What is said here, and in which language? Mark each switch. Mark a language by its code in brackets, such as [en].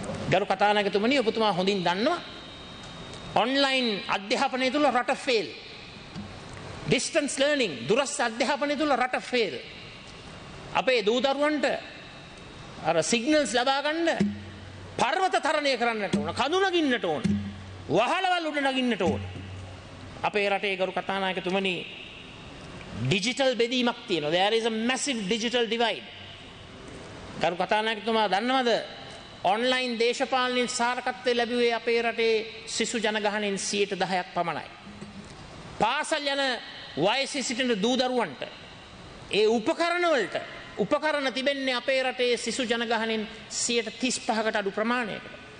[si] ගරු කථානායකතුමනි, ඔබතුමා හොඳින් දන්නවා ඔන්ලයින් අධ්‍යාපනය තුළ රට ෆේල්, [en] distance learning [si] දුරස් අධ්‍යාපනය තුළ රට ෆේල්. අපේ දූදරුවන්ට අර සිග්නල්ස් ලබා ගන්න පර්වත තරණය කරන්නට ඕන, කඳු නගින්නට ඕන, වහලවල් උඩ නගින්නට ඕන. අපේ රටේ ගරු කථානායකතුමනි ඩිජිටල් බෙදීමක් තියෙනවා. [en] There is a massive digital divide. [si] ගරු කථානායකතුමා දන්නවද, ඔන්ලයින් දේශපාලනයේ සාරකත්වයේ ලැබුවේ අපේ රටේ සිසු ජනගහනයෙන් 10%ක් පමණයි. පාසල් යන වයසේ සිටින දූදරුවන්ට ඒ උපකරණවලට උපකරණ තිබෙන්නේ අපේ රටේ සිසු ජනගහනයෙන් 35%කට අඩු ප්‍රමාණයකට.